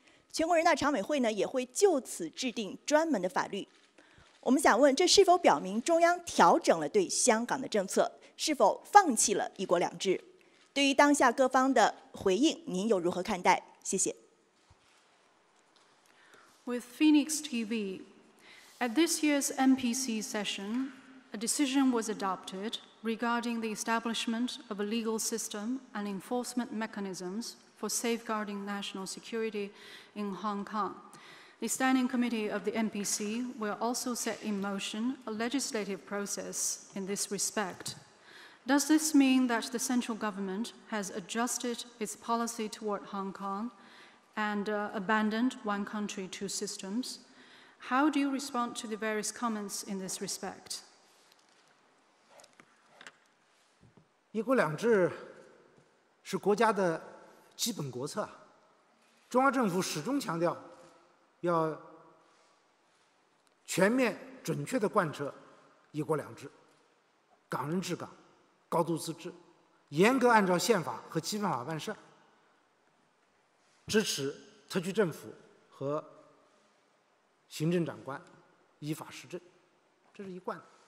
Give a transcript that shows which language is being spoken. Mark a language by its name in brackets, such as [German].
[Chinese] 全国人大常委会呢，也会就此制定专门的法律。我们想问，这是否表明中央调整了对香港的政策，是否放弃了一国两制？对于当下各方的回应，您又如何看待？谢谢。 [English] With Phoenix TV, at this year's MPC session, a decision was adopted regarding the establishment of a legal system and enforcement mechanisms for safeguarding national security in Hong Kong. The Standing Committee of the MPC will also set in motion a legislative process in this respect. Does this mean that the central government has adjusted its policy toward Hong Kong and abandoned one country, two systems? How do you respond to the various comments in this respect? [Chinese] 一国两制是国家的基本国策，中央政府始终强调要全面准确地贯彻一国两制，港人治港，高度自治，严格按照宪法和基本法办事，支持特区政府和行政长官依法施政，这是一贯的。